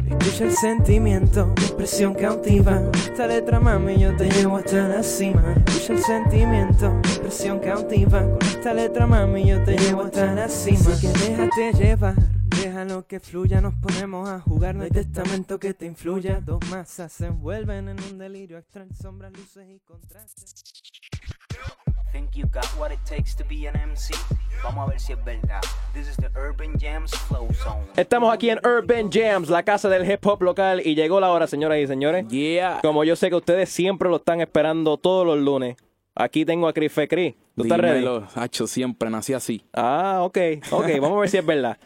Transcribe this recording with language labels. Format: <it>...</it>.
<es>Escucha el sentimiento, mi expresión cautiva. Esta letra, mami, yo te llevo hasta la cima. Escucha el sentimiento, mi expresión cautiva. Con esta letra, mami, yo te llevo hasta la cima. Así que déjate llevar, déjalo que fluya. Nos ponemos a jugar, no hay testamento que te influya. Dos masas se envuelven en un delirio extraño. Sombras, luces y contrastes.</es> <en>Think you got what it takes to be an MC?</en> <es>Vamos a ver si es verdad.</es> <en>This is the Urban Jams Flow Zone.</en> <es>Estamos aquí en Urban Jams, la casa del hip hop local. Y llegó la hora, señoras y señores.</es> <en>Yeah.</en> <es>Como yo sé que ustedes siempre lo están esperando todos los lunes, aquí tengo a CrisFe. Cris, ¿tú Dímelo, estás ready? Dímelo, hacho, siempre nací así. Ah, ok. Ok, vamos a ver si es verdad.</es>